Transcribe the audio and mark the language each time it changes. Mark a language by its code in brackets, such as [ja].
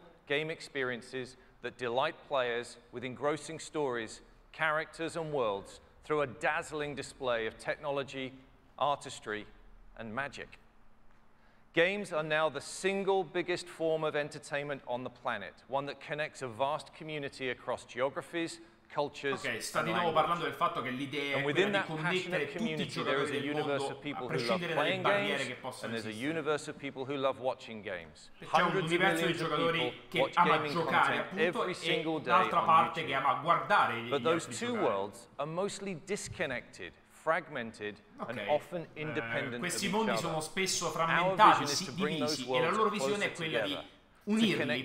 [en] Game experiences that delight players with engrossing stories, characters, and worlds through a dazzling display of technology, artistry, and magic. Games are now the single biggest form of entertainment on the planet, one that connects a vast community across geographies, cultures, [it] okay, sta di nuovo parlando del fatto che l'idea è quella di connettere tutti i giocatori del mondo a prescindere dalle barriere games, che possano esistere. [en] A universe of people who love watching games. [it] C'è un universo di giocatori che ama giocare appunto e un'altra parte che ama guardare gli [en] But those two worlds are mostly disconnected, fragmented, and often independent. [it] Questi mondi sono spesso frammentati, si divisi, e la loro visione è quella di unirli,